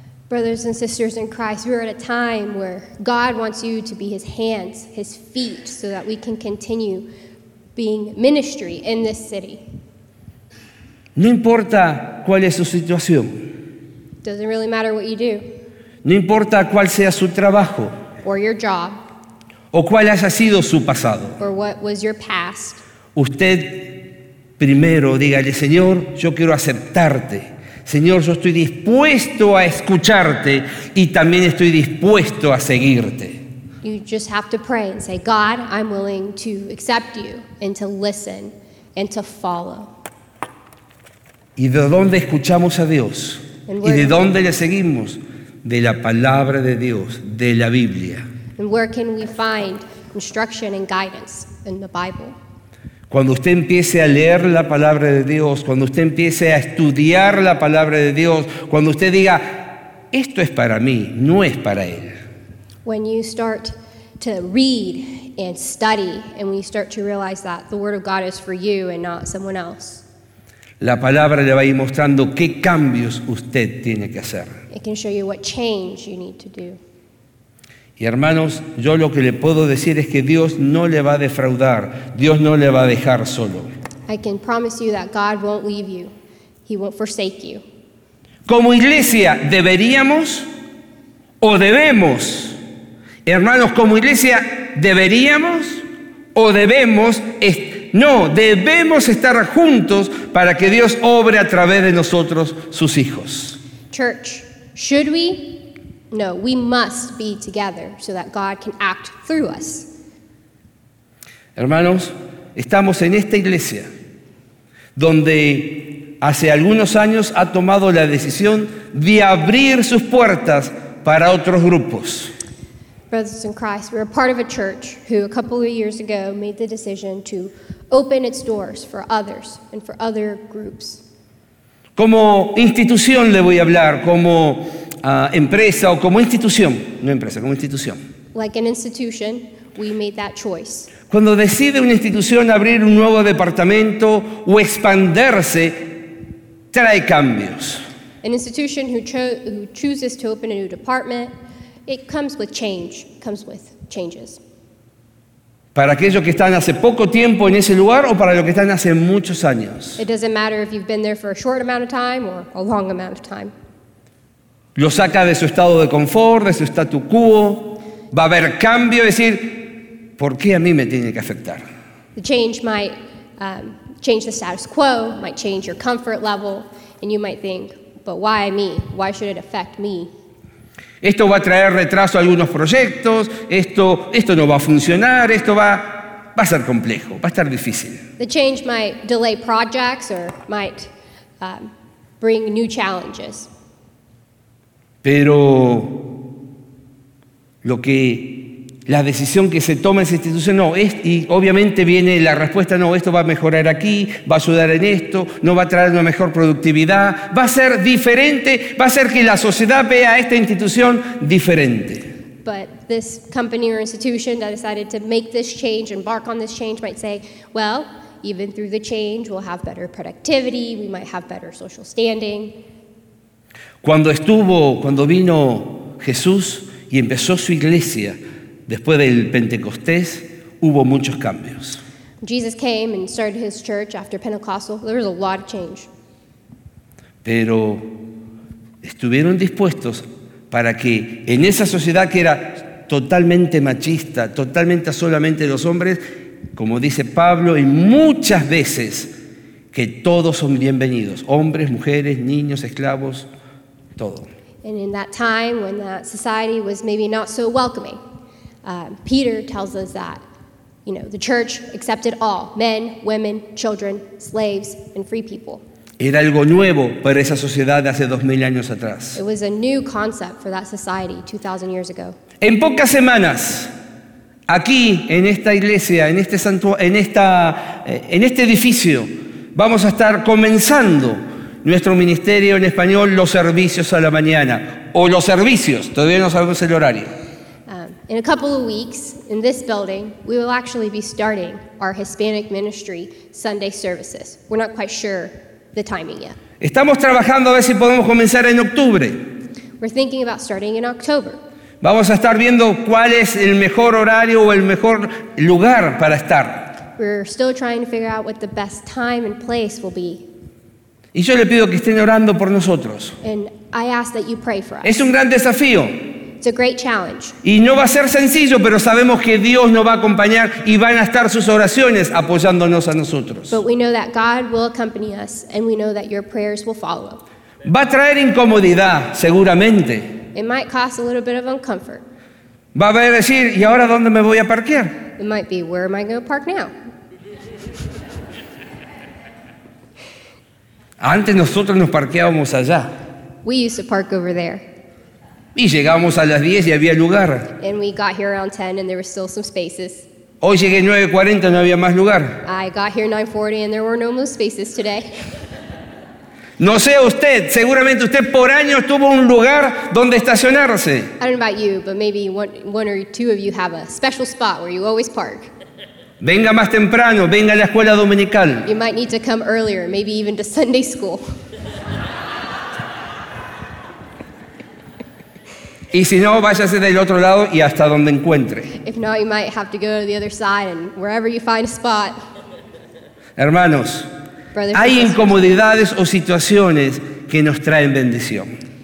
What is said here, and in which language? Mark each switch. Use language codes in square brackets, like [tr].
[en] Brothers and sisters in Christ, we're at a time where God wants you to be his hands, his feet, so that we can continue being ministry in this city. [es] No importa cuál es su situación. [en] Doesn't really matter what you do. [es] No importa cuál sea su trabajo. [en] Or your job. [es] O cuál haya sido su pasado. [en] Or what was your past. [es] Usted primero dígale, Señor, yo quiero aceptarte. Señor, yo estoy dispuesto a escucharte y también estoy dispuesto a seguirte. [en] You just have to pray and say, God, I'm willing to accept you and to listen and to follow. [es] ¿Y de dónde escuchamos a Dios? ¿Y de dónde le seguimos? De la palabra de Dios, de la Biblia. [en] And where can we find instruction and guidance in the Bible? [es] Cuando usted empiece a leer la palabra de Dios, cuando usted empiece a estudiar la palabra de Dios, cuando usted diga, esto es para mí, no es para él. [en] When you start to read and study, and when you start to realize that the word of God is for you and not someone else. [es] La palabra le va a ir mostrando qué cambios usted tiene que hacer. [en] It can show you what change you need to do. [es] Y hermanos, yo lo que le puedo decir es que Dios no le va a defraudar. Dios no le va a dejar solo. [en] I can promise you that God won't leave you. He won't forsake you. [es] Como iglesia, deberíamos o debemos. Hermanos, como iglesia, deberíamos o debemos. No, debemos estar juntos para que Dios obre a través de nosotros, sus hijos. [en] Church, should we? No, we must be together so that God can act through us. [es] Hermanos, estamos en esta iglesia donde hace algunos años ha tomado la decisión de abrir sus puertas para otros grupos. [en] Brothers in Christ, we're a part of a church who a couple of years ago made the decision to open its doors for others and for other groups. [es] Como institución le voy a hablar, como empresa o como institución, no empresa, como institución. [en] Like an institution, we made that choice. [es] Cuando decide una institución abrir un nuevo departamento o expandirse, trae cambios. [en] An institution who chooses to open a new department, it comes with change, comes with changes. [es] Para aquellos que están hace poco tiempo en ese lugar o para los que están hace muchos años. [en] It doesn't matter if you've been there for a short amount of time or a long amount of time. [es] Lo saca de su estado de confort, de su statu quo. Va a haber cambio, decir, ¿por qué a mí me tiene que afectar? [en] The change might change the status quo, might change your comfort level, and you might think, but why me? Why should it affect me? [es] Esto va a traer retraso a algunos proyectos, esto no va a funcionar, esto va a ser complejo, va a estar difícil. [en] The change might delay projects or might bring new challenges. [es] Pero lo que la decisión que se toma en esa institución, no, es, y obviamente viene la respuesta, no, esto va a mejorar aquí, va a ayudar en esto, no va a traer una mejor productividad, va a ser diferente, va a hacer que la sociedad vea a esta institución diferente. [en] But this company or institution that decided to make this change, embark on this change, might say, well, even through the change, we'll have better productivity, we might have better social standing. [es] Cuando vino Jesús y empezó su iglesia, después del Pentecostés, hubo muchos cambios. [en] Jesus came and started his church after Pentecostal. There was a lot of change. [es] Pero estuvieron dispuestos para que en esa sociedad que era totalmente machista, totalmente solamente los hombres, como dice Pablo, y muchas veces que todos son bienvenidos, hombres, mujeres, niños, esclavos, todo. [en] And in that time when that society was maybe not so welcoming, Peter tells us that, you know, the church accepted all, men, women, children, slaves, and free people. [es] Era algo nuevo para esa sociedad de hace 2000 años atrás. [en] It was a new concept for that society 2000 years ago. [es] En pocas semanas, aquí en esta iglesia, en este santo, en este edificio, vamos a estar comenzando nuestro ministerio en español, los servicios a la mañana, o los servicios, todavía no sabemos el horario. [en] In a couple of weeks, in this building, we will actually be starting our Hispanic ministry Sunday services. We're not quite sure the timing yet. [es] Estamos trabajando a ver si podemos comenzar en octubre. [en] We're thinking about starting in October. [es] Vamos a estar viendo cuál es el mejor horario o el mejor lugar para estar. [en] We're still trying to figure out what the best time and place will be. [es] Y yo le pido que estén orando por nosotros. [en] And I ask that you pray for us. [es] Es un gran desafío. [en] It's a great challenge. [es] Y no va a ser sencillo, pero sabemos que Dios nos va a acompañar y van a estar sus oraciones apoyándonos a nosotros. [en] But we know that God will accompany us and we know that your prayers will follow. [es] Va a traer incomodidad, seguramente. [en] It might cause a little bit of uncomfort. [es] Va a decir, ¿y ahora dónde me voy a parquear? [en] It might be, where am I going to park now? [es] Antes nosotros nos parqueábamos allá. [en] We used to park over there. [es] Y llegamos a las 10 y había lugar. [en] And we got here around 10 and there were still some spaces. [es] Hoy llegué 9:40 y no había más lugar. [en] I got here 9:40 and there were no more spaces today. [es] No sé usted, seguramente usted por años tuvo un lugar donde estacionarse. [en] I don't know about you, but maybe one or two of you have a special spot where you always park. [es] Venga más temprano, venga a la escuela dominical. [en] You might need to come earlier, maybe even to Sunday school. [es] Y si no, váyase del otro lado y hasta donde encuentre. [en] If not, you might have to go to the other side and wherever you find a spot. [es] Hermanos, [en] brothers, [es] hay incomodidades o situaciones que nos traen bendición.